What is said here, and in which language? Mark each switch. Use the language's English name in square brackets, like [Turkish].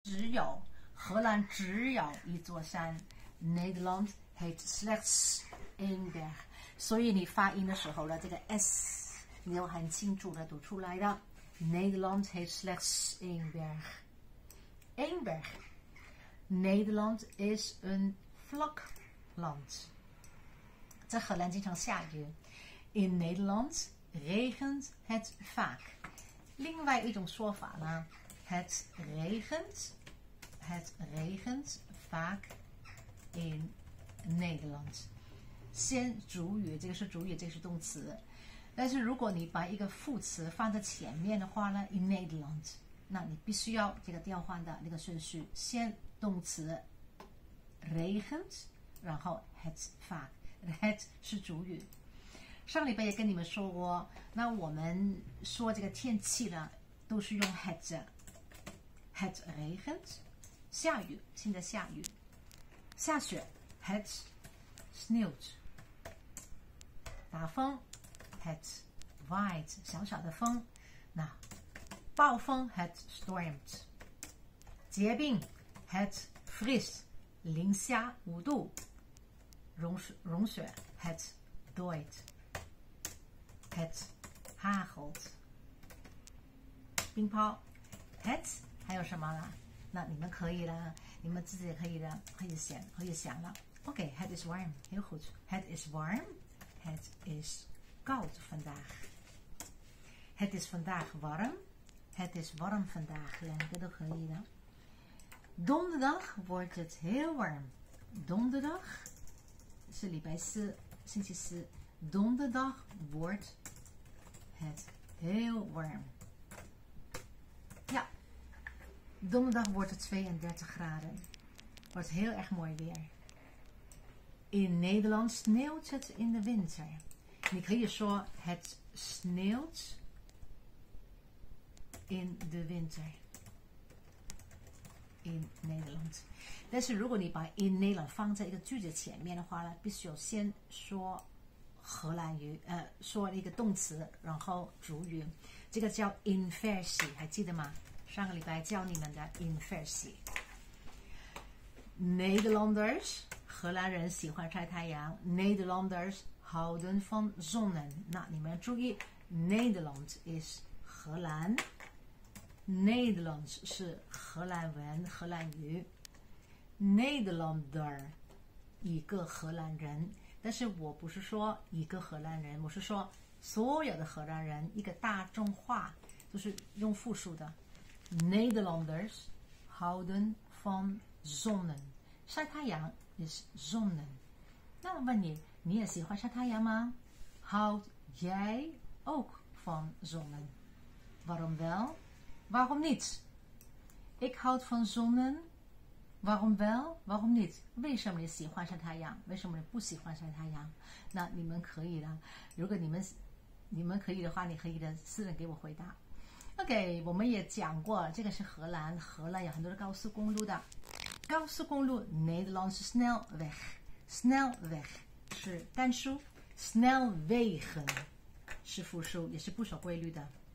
[Chinese] 只有荷兰只有一座山， [Dutch] Nederland heeft slechts een berg， [Chinese] 所以你发音的时候呢，这个 S 你要很清楚的读出来的。 [Dutch] Nederland heeft slechts een berg。 Een berg。 Nederland is een vlak land。 [Chinese] 在荷兰经常下雨。 [Dutch] In Nederland regent het vaak。 [Chinese] 另外一种说法呢， [Dutch] het regent vaak in Nederland。 [Chinese] 先主语，这个是主语，这个是动词。但是如果你把一个副词放在前面的话呢， [Dutch] in Nederland， [Chinese] 那你必须要这个调换的那个顺序，先动词 regent，然后 het vaak。het 是主语。上礼拜也跟你们说过，那我们说这个天气呢，都是用 [Dutch] het regent， [Chinese] 下雨，现在下雨，下雪 [Dutch] het sneeuwt， [Chinese] 打风 [Dutch] het waait， [Chinese] 小小的风，那暴风 [Dutch] het stormt， [Chinese] 结冰 [Dutch] het vriest， [Chinese] 零下5度，融雪 [Dutch] het dooit。 Het hagelt， [Chinese] 冰雹。 Het 还有什么呢？那你们可以了，你们自己可以了，可以选，可以想了。 [Dutch] OK，Het is warm， [Chinese] 很好。 [Dutch] Het is warm，Het is koud vandaag。 Het is vandaag warm，Het is warm vandaag。 [Chinese] 两个都可以了。 [Dutch] Donderdag wordt het heel warm。 [Chinese] Donderdag 是礼拜四，星期四。 [Dutch] Donderdag wordt Het heel warm. Donderdag wordt het 32 graden. Wordt heel erg mooi weer. In Nederland sneeuwt het in de winter. Ik kan je zeggen, het sneeuwt in de winter. In Nederland. Maar als je in Nederland vangt in een zin in de hoofdzin, dan moet je eerst zeggen [Chinese] 荷兰语，说一个动词，然后主语，这个叫 [Dutch] inversie，还记得吗？ [Chinese] 上个礼拜教你们的 inversie。Nederlanders，荷兰人喜欢晒太阳。 [Dutch] Nederlanders houden van zonnen。 [Chinese] 那你们要注意，Nederland is 荷兰，Nederlands 是荷兰文、荷兰语。 Nederlander，一个荷兰人。但是我不是说一个荷兰人，我是说所有的荷兰人，一个大众化，就是用复数的。 [Dutch] Nederlanders houden van zonnen， [Chinese] 晒太阳 [Dutch] is zonnen。 [Chinese] 那我问你，你也喜欢晒太阳吗？ [Dutch] Houd jij ook van zonnen？Waarom wel？Waarom niet？Ik houd van zonnen。 Waarom wel? Waarom niet? [Chinese] 为什么你喜欢晒太阳？为什么你不喜欢晒太阳？那你们可以的。如果你们可以的话，你可以的，私人给我回答。 OK，我们也讲过，这个是荷兰，荷兰有很多的高速公路的。高速公路 [Dutch] Nederlandse snelweg [Chinese] 是单数，snelwegen 是复数，也是不守规律的。